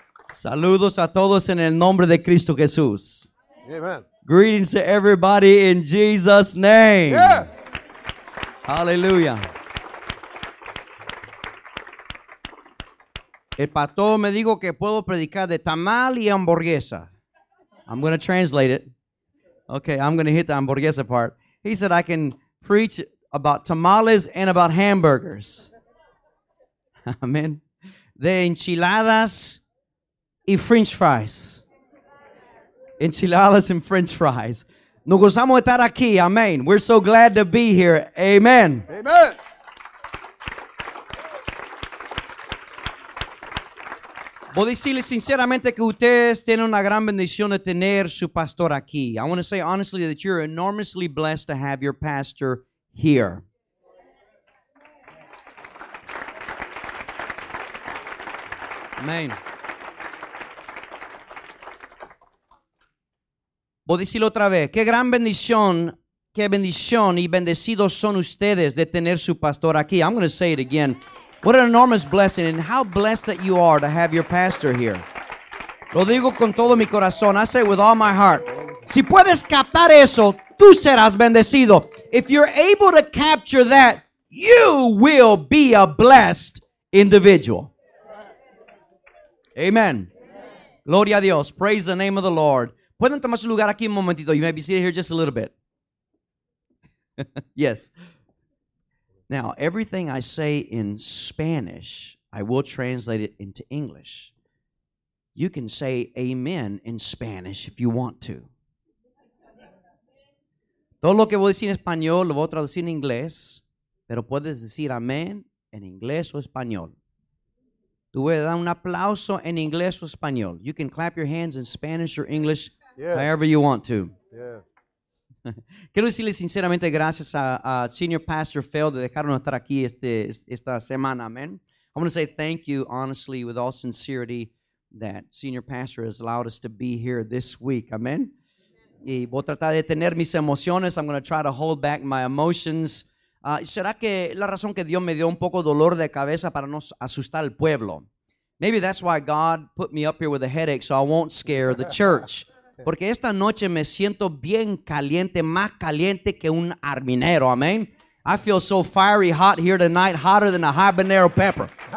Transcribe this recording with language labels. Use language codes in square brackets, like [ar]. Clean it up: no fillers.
[es] Saludos a todos en el nombre de Cristo Jesús. Amen. [en] Greetings to everybody in Jesus' name. Yeah. Hallelujah. [es] El pastor me dijo que puedo predicar de tamal y hamburguesa. [en] I'm going to translate it. Okay, I'm going to hit the hamburguesa part. He said I can preach about tamales and about hamburgers. Amen. [es] De enchiladas. [en] French fries. Enchiladas and French fries. [es] Nos gozamos de estar aquí. Amen. [en] We're so glad to be here. Amen. Amen. [es] Voy a decirle sinceramente que ustedes tienen una gran bendición de tener su pastor aquí. [en] I want to say honestly that you're enormously blessed to have your pastor here. Amen. [es] Voy a decirlo otra vez. Qué gran bendición, qué bendición y bendecidos son ustedes de tener su pastor aquí. [en] I'm going to say it again. What an enormous blessing and how blessed that you are to have your pastor here. [es] Lo digo con todo mi corazón. [en] I say it with all my heart. [es] Si puedes captar eso, tú serás bendecido. [en] If you're able to capture that, you will be a blessed individual. Amen. [es] Gloria a Dios. [en] Praise the name of the Lord. [es] Pueden tomar su lugar aquí un momentito. [en] You may be seated here just a little bit. Yes. Now, everything I say in Spanish, I will translate it into English. You can say amen in Spanish if you want to. [es] Todo lo que voy a decir en español lo voy a traducir en inglés, pero puedes decir amén en inglés o español. Tú puedes dar un aplauso en inglés o español. [en] You can clap your hands in Spanish or English. Yeah. However you want to. Yeah. [es] Quiero decirle sinceramente gracias a Senior Pastor Feld de dejarnos estar aquí esta semana, amen. [en] I want to say thank you, honestly, with all sincerity, that Senior Pastor has allowed us to be here this week, amen. [es] Y voy a tratar de tener mis emociones. [en] I'm going to try to hold back my emotions. [es] ¿Será que la razón que Dios me dio un poco dolor de cabeza para no asustar al pueblo? [en] Maybe that's why God put me up here with a headache so I won't scare the church. [es] Porque esta noche me siento bien caliente, más caliente que un arminero, amen. [en] I feel so fiery hot here tonight, hotter than a habanero pepper.